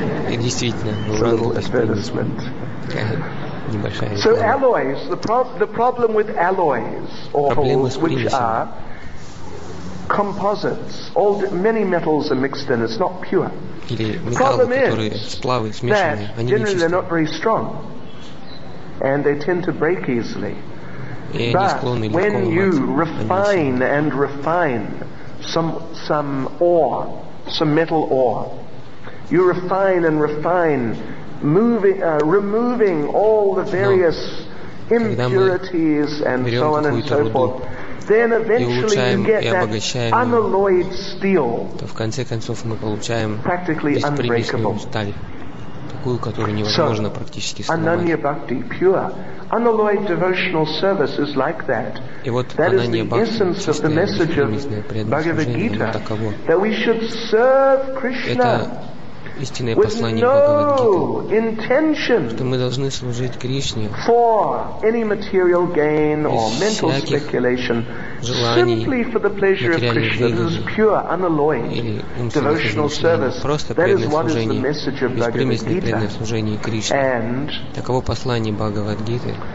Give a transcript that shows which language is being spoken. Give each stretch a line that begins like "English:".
Russian: И действительно, гауранга беспримесна. Небольшая реклама.
English: So alloys, the problem with alloys or holes, which are composites, all many metals are mixed in, it's not pure.
Russian: Или металлы, которые сплавы смешаны, они не чистые.
English: They're not very strong. And they tend to break easily. But when you refine and refine some ore, some metal ore, you refine and refine, removing all the various impurities and so on and so forth, then eventually you get that unalloyed steel, practically unbreakable.
Russian: Такую, которую невозможно практически сломать.
English: Ананья бхакти, pure. Unalloyed devotional service is like that.
Russian: И вот ананья бхакти, чистая, беспримесная преданное служение, оно таково.
English: That we should serve Krishna.
Russian: Это истинное послание Бхагавад-гиты. Что мы должны служить Кришне.
English: For any material gain or mental speculation. Simply for the pleasure of Krishna, this is pure, unalloyed devotional service. That is what is the message of Bhagavad-gita. And
Russian: таково послание Бхагавад-гиты.